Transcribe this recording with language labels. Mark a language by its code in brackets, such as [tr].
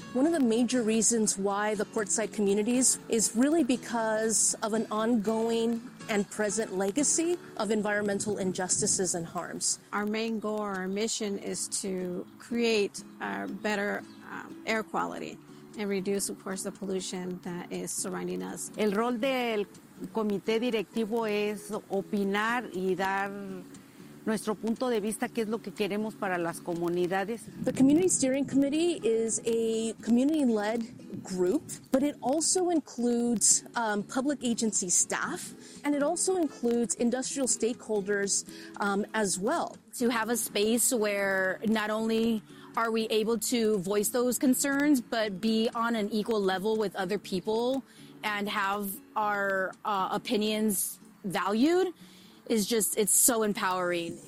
[en] One of the major reasons why the Portside communities is really because of an ongoing and present legacy of environmental injustices and harms. Our main goal, our mission is to create better air quality and reduce, of course, the pollution that is surrounding us. [es] El rol del comité directivo es opinar y dar nuestro punto de vista, qué es lo que queremos para las comunidades. [en] The Community Steering Committee is a community-led group, but it also includes public agency staff, and it also includes industrial stakeholders as well. To have a space where not only are we able to voice those concerns, but be on an equal level with other people and have our opinions valued is just, it's so empowering.